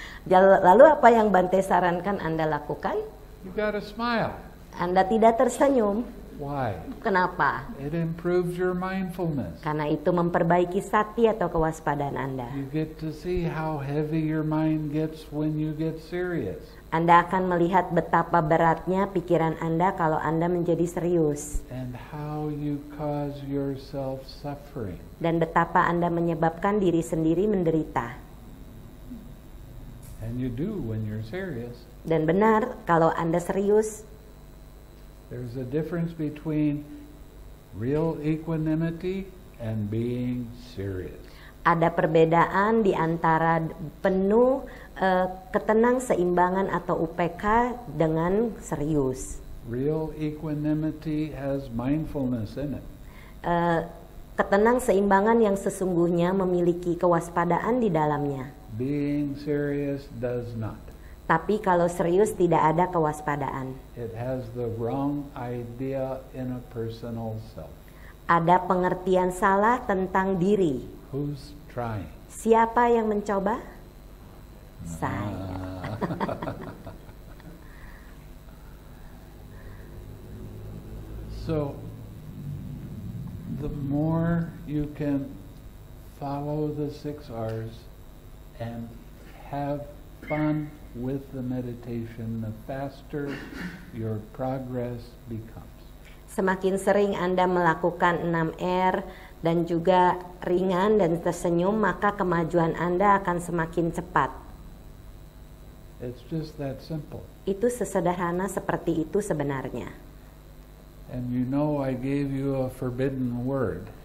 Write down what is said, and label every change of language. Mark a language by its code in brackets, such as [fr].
[id] Lalu apa yang Bante sarankan Anda lakukan? [en] You gotta smile. [id] Anda tidak tersenyum. [en] Why? [id] Kenapa? [en] It improves your mindfulness. [id] Karena itu memperbaiki sati atau kewaspadaan Anda. [en] You get to see how heavy your mind gets when you get serious. [id] Anda akan melihat betapa beratnya pikiran Anda kalau Anda menjadi serius. [en] And how you cause yourself suffering. [id] Dan betapa Anda menyebabkan diri sendiri menderita. [en] And you do when you're serious. [id] Dan benar kalau Anda serius. [en] There's a difference between real equanimity and being serious. [id] Ada perbedaan di antara penuh ketenang seimbangan atau UPK dengan serius. [en] Real equanimity has mindfulness in it. [id] Ketenang seimbangan yang sesungguhnya memiliki kewaspadaan di dalamnya. [en] Being serious does not. [id] Tapi kalau serius tidak ada kewaspadaan. [en] It has the wrong idea in a personal self. [id] Ada pengertian salah tentang diri. [en] Who's trying? [id] Siapa yang mencoba? Saya. [en] So, the more you can follow the 6 R's and have fun with the meditation, the faster your progress becomes. [id] Semakin sering Anda melakukan 6 R dan juga ringan dan tersenyum, maka kemajuan Anda akan semakin cepat. [en] It's just that simple. [id] Itu sesederhana seperti itu sebenarnya. [en] And you know I gave you a forbidden word.